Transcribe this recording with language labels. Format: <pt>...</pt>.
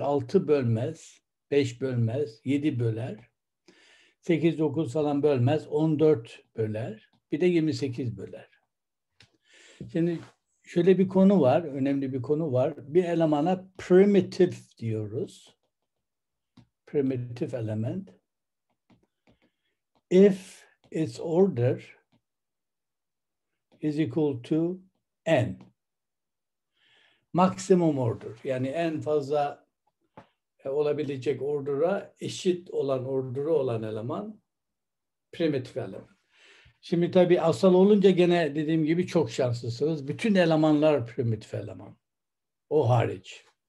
<tr>6 bölmez. 5 bölmez. 7 böler. 8 9 falan bölmez. 14 böler. Bir de 28 böler. Şimdi şöyle bir konu var. Önemli bir konu var. Bir elemana primitive diyoruz.</tr> <en>Primitive element. If its order is equal to n. Maximum order.</en> <tr>Yani en fazla olabilecek order'a eşit olan order'ı olan eleman primitive element. Şimdi tabii asal olunca gene dediğim gibi çok şanslısınız. Bütün elemanlar primitive eleman. O hariç.</tr>